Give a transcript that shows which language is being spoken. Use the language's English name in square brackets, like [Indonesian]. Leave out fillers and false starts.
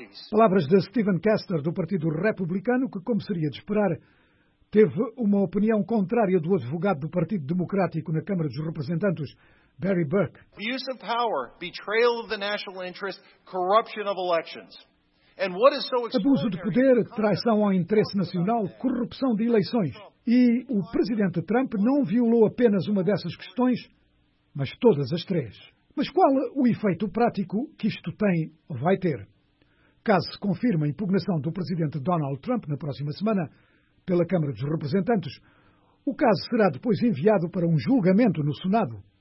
[Portuguese] Palavras de Stephen Castor, do Partido Republicano, que, como seria de esperar, teve uma opinião contrária do advogado do Partido Democrático na Câmara dos Representantes, Barry Burke. [English] The use of power, betrayal of the national interest, corruption of elections. And what is so extraordinary? [Portuguese] Abuso de poder, traição ao interesse nacional, corrupção de eleições. E o presidente Trump não violou apenas uma dessas questões, mas todas as três. Mas qual o efeito prático que isto tem ou vai ter? Caso se confirme a impugnação do presidente Donald Trump na próxima semana pela Câmara dos Representantes, o caso será depois enviado para um julgamento no Senado.